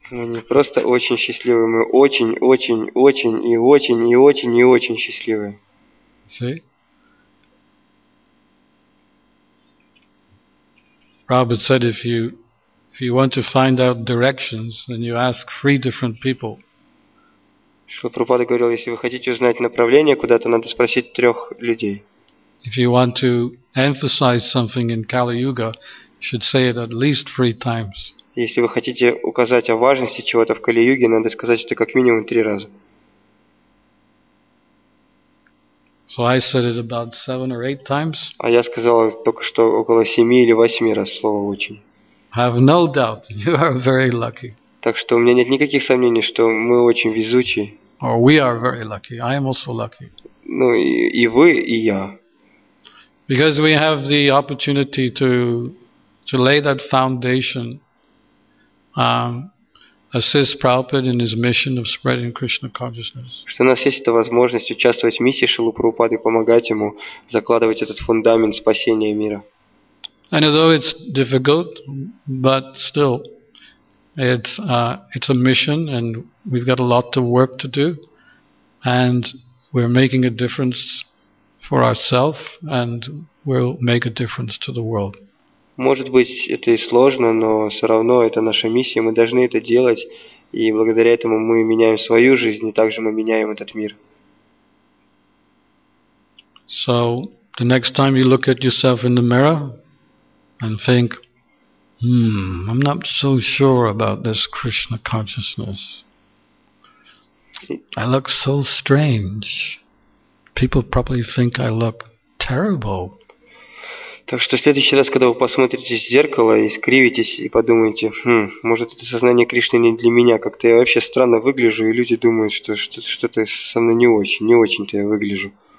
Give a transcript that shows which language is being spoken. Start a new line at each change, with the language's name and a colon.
Russian: Мы не просто очень счастливы, мы очень-очень-очень счастливы.
English: See? Prabhupada said, if you want to find out directions, then you ask three different people.
Russian: Шрила Прабхупада говорил, если вы хотите узнать направление куда-то, надо спросить трех людей.
English: If you want to emphasize something in Kali Yuga, you should say it at least three times.
Russian: Если вы хотите указать о важности чего-то в Кали-Юге, надо сказать это как минимум три раза.
English: So I said it about 7 or 8 times.
Russian: А я сказал только что около 7 или 8 раз слово очень.
English: Have no doubt, you are very lucky.
Russian: Так что у меня нет никаких сомнений, что мы очень везучи.
English: Or we are very lucky. I am also lucky.
Russian: Ну и вы, и я.
English: Because we have the opportunity to lay that foundation, assist Prabhupada in his mission of spreading Krishna consciousness.
Russian: Что у нас есть эта возможность участвовать в миссии Шрилы Прабхупады, помогать ему закладывать этот фундамент спасения мира.
English: And although it's difficult, but still, it's a mission, and we've got a lot of work to do, and we're making a difference for ourselves, and we'll make a difference to the world.
Russian: Может быть, это и сложно, но все равно это наша миссия. Мы должны это делать, и благодаря этому мы меняем свою жизнь, и также мы меняем этот мир.
English: So the next time you look at yourself in the mirror and think, I'm not so sure about this Krishna consciousness. I look so strange. People probably think I look terrible.
Russian: Так что в следующий раз, когда вы посмотрите в зеркало и скривитесь, и подумаете, может, это сознание Кришны не для меня, как-то я вообще странно выгляжу, и люди думают, что что-то со мной не очень-то я выгляжу.